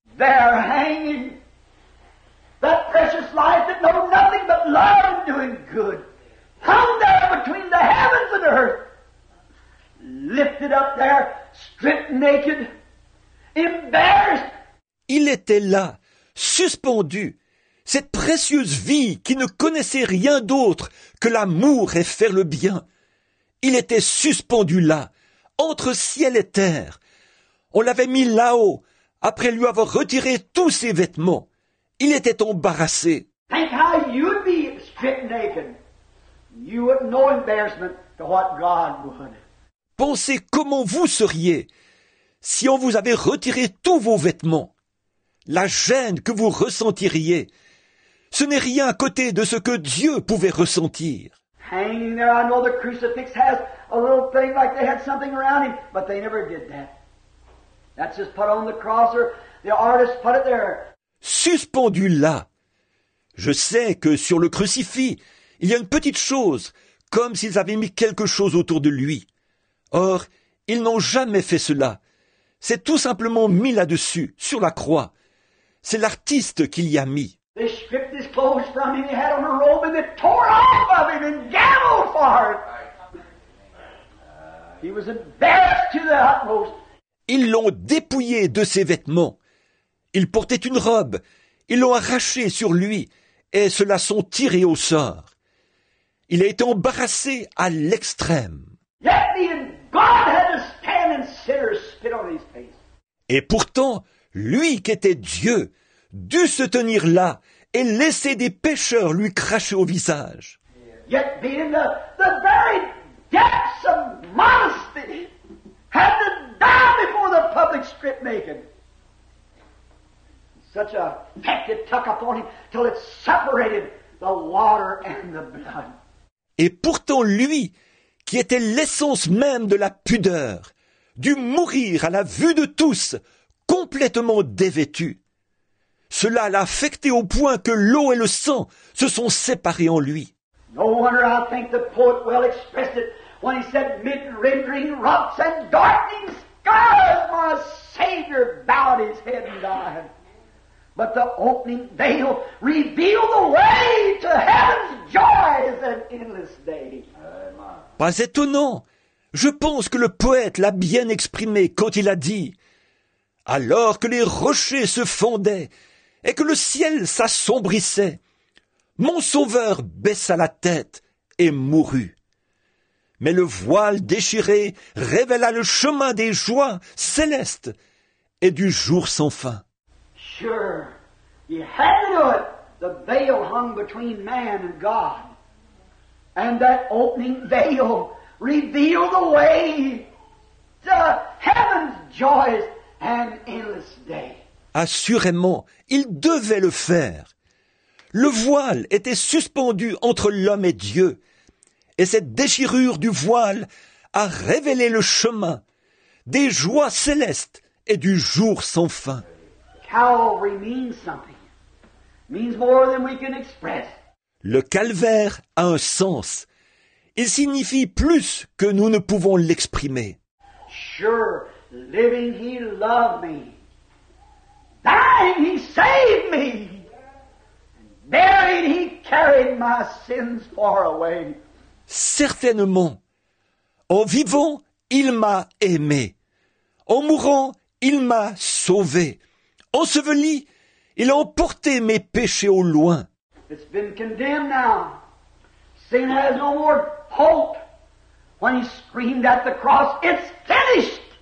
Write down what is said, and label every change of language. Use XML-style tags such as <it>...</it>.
<en>They're hanging that precious life that know nothing but love and doing good. Come there between the heavens and earth. Lifted up there, stripped naked, embarrassed.</en> <fr>Il était là, suspendu. Cette précieuse vie qui ne connaissait rien d'autre que l'amour et faire le bien. Il était suspendu là, entre ciel et terre. On l'avait mis là-haut, après lui avoir retiré tous ses vêtements. Il était embarrassé.</fr> <en>Think how you'd be stripped naked. You would have no embarrassment to what God would.</en> <fr>Pensez comment vous seriez si on vous avait retiré tous vos vêtements. La gêne que vous ressentiriez, ce n'est rien à côté de ce que Dieu pouvait ressentir.</fr> <en>Hanging there, I know the crucifix has a little thing like they had something around him, but they never did that. That's just put on the cross, or the artist put it there.</en> <fr>Suspendu là. Je sais que sur le crucifix, il y a une petite chose, comme s'ils avaient mis quelque chose autour de lui. Or, ils n'ont jamais fait cela. C'est tout simplement mis là-dessus, sur la croix. C'est l'artiste qui l'y a mis.</fr> <en>They stripped his clothes from him. He had on a robe and they tore off of him and gambled for it. He was embarrassed to the utmost.</en> <fr>Ils l'ont dépouillé de ses vêtements. Il portait une robe. Ils l'ont arraché sur lui et se la sont tirée au sort. Il a été embarrassé à l'extrême.</fr> <en>Yet even God had to stand and sinners spit on his face.</en> <fr>Et pourtant, lui qui était Dieu, dut se tenir là et laisser des pécheurs lui cracher au visage.</fr> <en>Yet being the very depths of modesty, had to die before the public strip naked. Such a heck it took upon him till it separated the water and the blood.</en> <fr>Et pourtant lui, qui était l'essence même de la pudeur, dut mourir à la vue de tous, complètement dévêtu. Cela l'a affecté au point que l'eau et le sang se sont séparés en lui.</fr> <en>No wonder I think the poet well expressed it when he said, "Mid rendering rocks and darkening skies, my Savior bowed his head and died. But the opening veil revealed the way to heaven's joys and endless day."</en> <fr>Pas étonnant. Je pense que le poète l'a bien exprimé quand il a dit, alors que les rochers se fondaient et que le ciel s'assombrissait, mon Sauveur baissa la tête et mourut. Mais le voile déchiré révéla le chemin des joies célestes et du jour sans fin.</fr> <en>Sure, he had to do it. The veil hung between man and God. And that opening veil revealed the way to heaven's joys. An endless day.</en> <fr>Assurément, il devait le faire. Le voile était suspendu entre l'homme et Dieu, et cette déchirure du voile a révélé le chemin des joies célestes et du jour sans fin.</fr> <en>Calvary means something. Means more than we can express.</en> <fr>Le calvaire a un sens. Il signifie plus que nous ne pouvons l'exprimer.</fr> <en>Sure. Living, he loved me. Dying, he saved me. Buried, he carried my sins far away.</en> <fr>Certainement, en vivant, il m'a aimé. En mourant, il m'a sauvé. Enseveli, il a emporté mes péchés au loin.</fr> <en>It's been condemned now. Sin has no more hope. When he screamed at the cross, it's finished.</en>